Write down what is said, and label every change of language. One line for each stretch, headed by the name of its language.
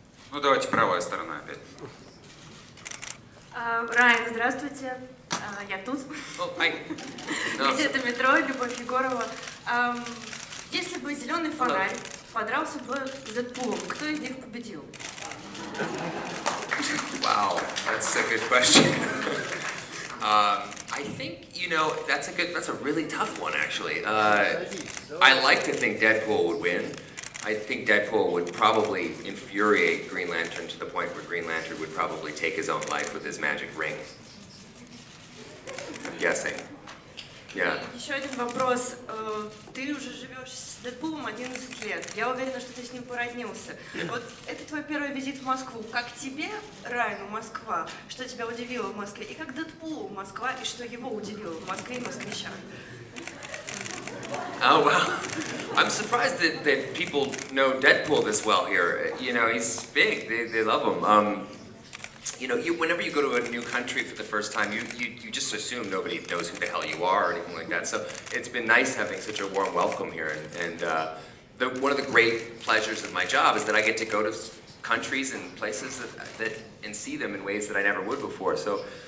Russian: Ну давайте правая сторона опять. Райан, здравствуйте. Я тут.
English: Oh, hi.
Russian: Это метро, Любовь Егорова. Если бы зеленый фонарь подрался бы с Дэдпулом, кто из них победил?
English: Wow, that's a good question. I think, you know, that's a really tough one, actually. I like to think Deadpool would win. I think Deadpool would probably infuriate Green Lantern to the point where Green Lantern would probably take his own life with his magic ring. I'm guessing. Yeah.
Russian: Еще один вопрос. Ты уже живешь с Дэдпулом 11 лет. Я уверена, что ты с ним породнился. Вот это твой первый визит в Москву. Как тебе, Райану, Москва? Что тебя удивило в Москве? И как Дэдпулу Москва? И что его удивило в Москве и москвичах?
English: Oh, well, I'm surprised that, that people know Deadpool this well here. You know, he's big. They love him. You know, you, whenever you go to a new country for the first time, you just assume nobody knows who the hell you are or anything like that. So it's been nice having such a warm welcome here. And one of the great pleasures of my job is that I get to go to countries and places that and see them in ways that I never would before. So.